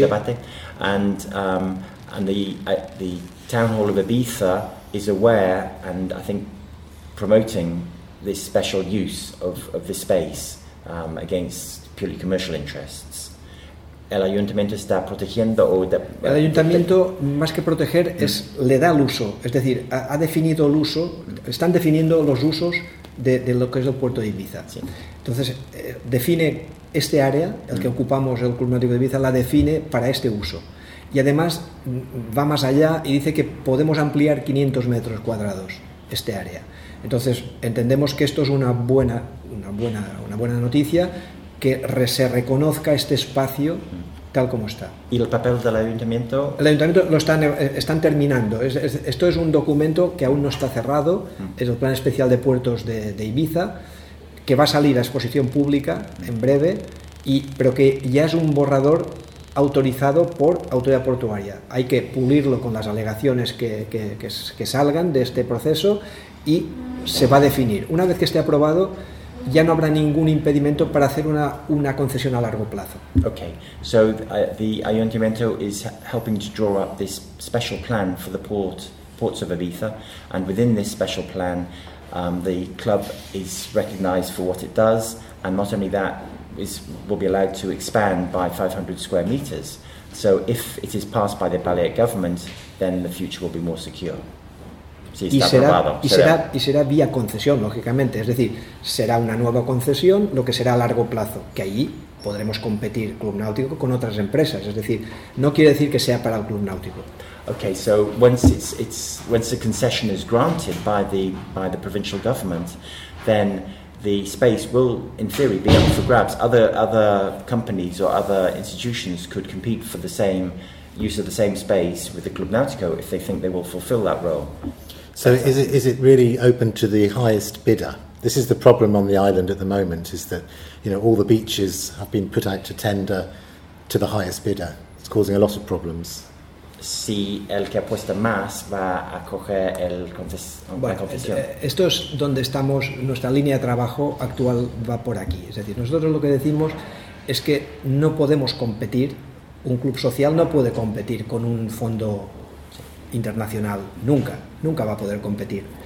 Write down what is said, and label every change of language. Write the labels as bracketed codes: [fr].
[en] Debate, and the town hall of Ibiza is aware and I think promoting this special use of this space against purely commercial interests. [es] El ayuntamiento está protegiendo o el ayuntamiento más que proteger es le da el uso, es decir, ha definido el uso, están definiendo los usos de lo que es el puerto de Ibiza. Sí. Entonces, define este área, el que ocupamos el Club Náutico de Ibiza, la define para este uso. Y además va más allá y dice que podemos ampliar 500 metros cuadrados este área. Entonces, entendemos que esto es una buena noticia, que se reconozca este espacio tal como está. ¿Y el papel del ayuntamiento? El ayuntamiento lo están terminando. Esto es un documento que aún no está cerrado, es el Plan Especial de Puertos de Ibiza, que va a salir a exposición pública en breve, pero que ya es un borrador autorizado por autoridad portuaria. Hay que pulirlo con las alegaciones que salgan de este proceso y se va a definir. Una vez que esté aprobado, ya no habrá ningún impedimento para hacer una concesión a largo plazo. [en] Okay, so the ayuntamiento is helping to draw up this special plan for the ports of Ibiza, and within this special plan, the club is recognized for what it does, and not only that, will be allowed to expand by 500 square meters. So if it is passed by the Balearic government, then the future will be more secure. [es] Sí, y será vía concesión, lógicamente. Es decir, será una nueva concesión, lo que será a largo plazo, que allí podremos competir Club Náutico con otras empresas. Es decir, no quiere decir que sea para el Club Náutico. [en] Okay, so once once the concession is granted by the provincial government, then the space will, in theory, be up for grabs. Other companies or other institutions could compete for the same use of the same space with the Club Náutico if they think they will fulfil that role. So is it really open to the highest bidder? This is the problem on the island at the moment, is that all the beaches have been put out to tender to the highest bidder. It's causing a lot of problems. [es] Si el que apuesta más va a coger la concesión. Esto es donde estamos, nuestra línea de trabajo actual va por aquí. Es decir, nosotros lo que decimos es que no podemos competir, un club social no puede competir con un fondo internacional, nunca va a poder competir.